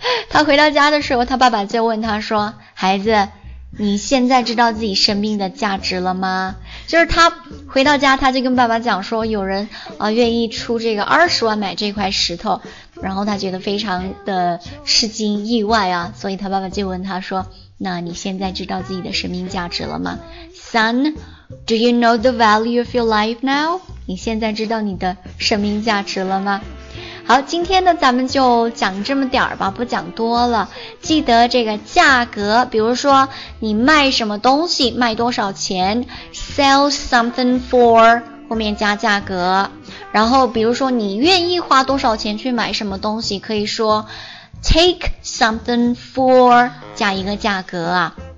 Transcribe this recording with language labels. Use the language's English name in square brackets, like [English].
[Chinese] 他回到家的时候，他爸爸就问他说，孩子，你现在知道自己生命的价值了吗？就是他回到家，他就跟爸爸讲说，有人愿意出这个$200,000买这块石头，然后他觉得非常的吃惊意外啊，所以他爸爸就问他说，那你现在知道自己的生命价值了吗？ [English] Son, do you know the value of your life now? [Chinese] 你现在知道你的生命价值了吗？好，今天呢咱们就讲这么点儿吧，不讲多了。记得这个价格，比如说你卖什么东西卖多少钱， [English] sell something for [Chinese] 后面加价格，然后比如说你愿意花多少钱去买什么东西，可以说 [English] Take something for [Chinese] 加一个价格啊。